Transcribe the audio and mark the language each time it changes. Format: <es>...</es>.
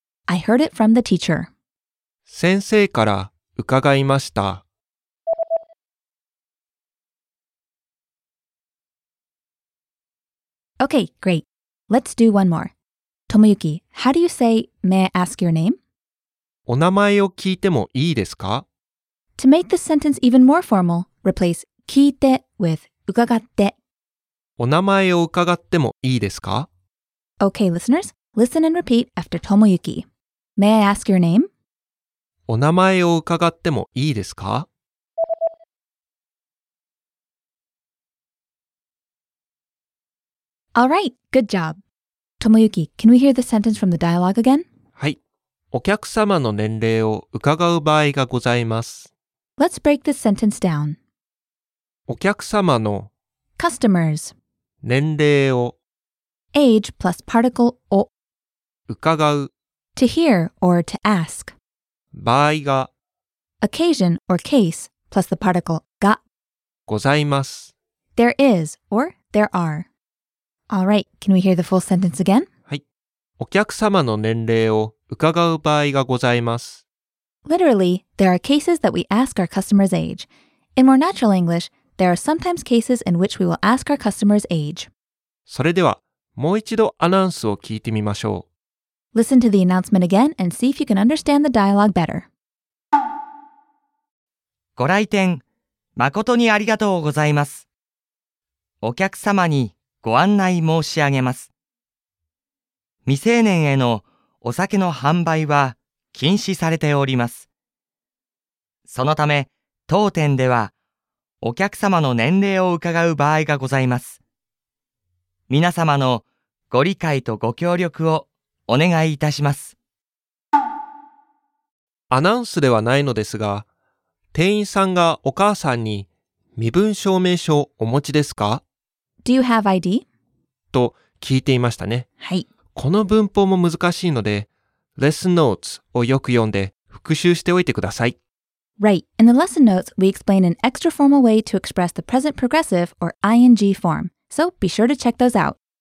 <en>I heard it from the teacher.</en> <ja>先生から伺いました。</ja> <en>Okay, great. Let's do one more. Tomoyuki, how do you say, may I ask your name?</en> <ja>お名前を聞いてもいいですか?</ja> <en>To make this sentence even more formal, replace 聞いて with 伺って。</en> <ja>お名前を伺ってもいいですか?</ja> <en>Okay, listeners, listen and repeat after Tomoyuki. May I ask your name?</en> <ja>お名前を伺ってもいいですか?</ja> <en>All right, good job. Tomoyuki, can we hear the sentence from the dialogue again?</en> <ja>はい。お客様の年齢を伺う場合がございます。</ja> <en>Let's break this sentence down.</en> <ja>お客様の</ja> <en>Customers</en> <ja>年齢を</ja> <en>Age plus particle を</en> <ja>伺う</ja> <en>To hear or to ask</en> <ja>場合が</ja> <en>Occasion or case plus the particle が</en> <ja>ございます。</ja> <en>There is or there are. All right, can we hear the full sentence again?</en> <ja>はい。お客様の年齢を伺う場合がございます。</ja> <en>Literally, there are cases that we ask our customer's age. In more natural English, there are sometimes cases in which we will ask our customer's age.</en> <ja>それでは、もう一度アナウンスを聞いてみましょう。</ja> <en>Listen to the announcement again and see if you can understand the dialogue better.</en> <ja>ご来店、誠にありがとうございます。お客様に、ご案内申し上げます。未成年へのお酒の販売は禁止されております。そのため、当店ではお客様の年齢を伺う場合がございます。皆様のご理解とご協力をお願いいたします。アナウンスではないのですが、店員さんがお母さんに身分証明書お持ちですか?</ja> <en>Do you have ID?</en> <ja>と聞いていましたね。はい。この文法も難しいので、Lesson Notes をよく読んで復習しておいてください。</ja> <en>Right. In the Lesson Notes, we explain an extra formal way to express the present progressive or ING form. So be sure to check those out.</en>